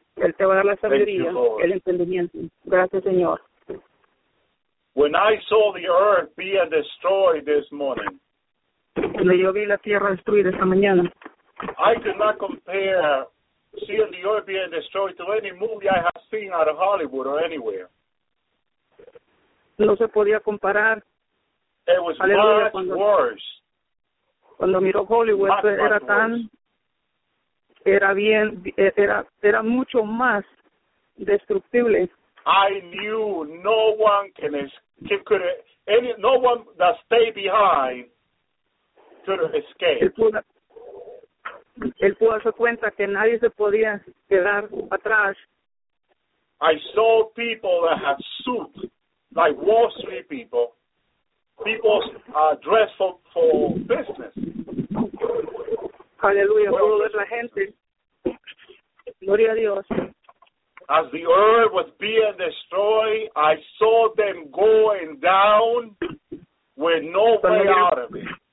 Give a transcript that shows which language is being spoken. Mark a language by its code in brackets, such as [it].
[es] Él te va a dar la sabiduría, el entendimiento. Gracias, Señor. [en] When I saw the earth being destroyed this morning, [es] cuando yo vi la tierra destruida esta mañana, [en] I could not compare seeing the earth being destroyed to any movie I have seen out of Hollywood or anywhere. [es] No se podía comparar. [en] It was worse. [es] Cuando miró Hollywood, [en] much, [es] era [en] much [es] tan, [en] worse. [es] Era bien, era mucho más destructible. [en] I knew no one can escape, no one that stayed behind could have escaped. [es] Él pudo darse cuenta que nadie se podía quedar atrás. [en] I saw people that had suits, like Wall Street people. People are dressed for business. [es] Hallelujah. Pudo ver la gente. Gloria a Dios. [en] As the earth was being destroyed, I saw them going down with no way out of it.